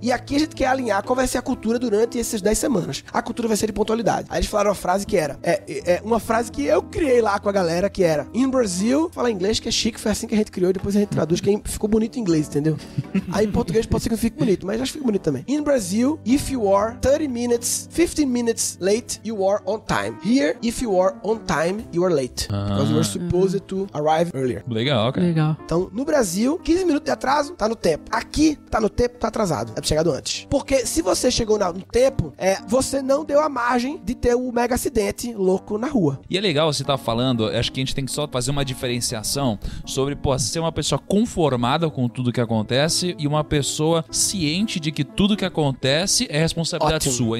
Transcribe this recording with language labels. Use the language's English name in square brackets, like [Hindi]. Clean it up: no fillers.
[Portuguese] E aqui a gente quer alinhar qual vai ser a cultura durante essas 10 semanas. A cultura vai ser de pontualidade. Aí eles falaram uma frase que era, uma frase que eu criei lá com a galera, que era, in Brazil, fala inglês que é chique, foi assim que a gente criou, depois a gente traduz, que ficou bonito em inglês, entendeu? Aí em português pode ser que fique bonito, mas acho que fica bonito também. [English] In Brazil, if you are 15 minutes late, you are on time. Here, if you are on time, you are late. Because you were supposed to arrive earlier. [Portuguese] Legal, ok. Legal. Então, no Brasil, 15 minutos de atraso, tá no tempo. Aqui, tá no tempo, tá atrasado. É pra chegar antes. Porque se você chegou no tempo, você não deu a margem de ter o mega acidente louco na rua. E é legal você estar falando, acho que a gente tem que só fazer uma diferenciação sobre, pô, ser uma pessoa conformada com tudo que acontece e uma pessoa ciente de que tudo que acontece é responsabilidade ótimo. Sua.